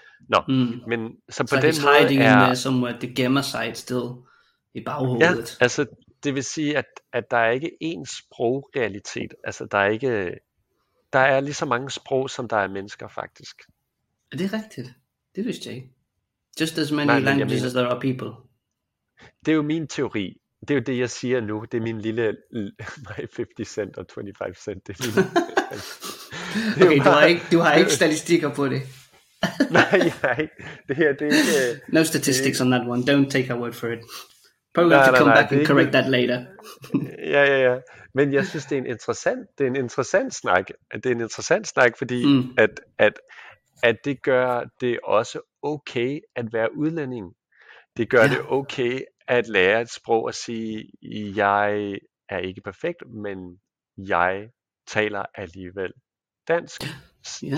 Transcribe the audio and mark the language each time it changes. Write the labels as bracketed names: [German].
[Danish] Nå, men så på så den måde er... Så er det som at det gemmer sig et sted i baghovedet. Ja, altså... Det vil sige, at der er ikke én sprogrealitet. Altså, der er ikke... Der er lige så mange sprog, som der er mennesker, faktisk. Er det rigtigt? Det vidste jeg ikke. [English] Just as many languages as there are people. [Danish] Det er jo min teori. Det er jo det, jeg siger nu. Det er min lille... 50 cent og 25 cent. Det er min... det er okay, du har ikke statistikker på det. Nej. Det her, det er ikke... [English] No statistics on that one. Don't take our word for it. Probably have to come back and correct that later. [Danish] Ja. Men jeg synes, det er en interessant snak. Det er en interessant snak, fordi at det gør det også okay at være udlænding. Det gør det okay at lære et sprog og sige, jeg er ikke perfekt, men jeg taler alligevel dansk. Yeah.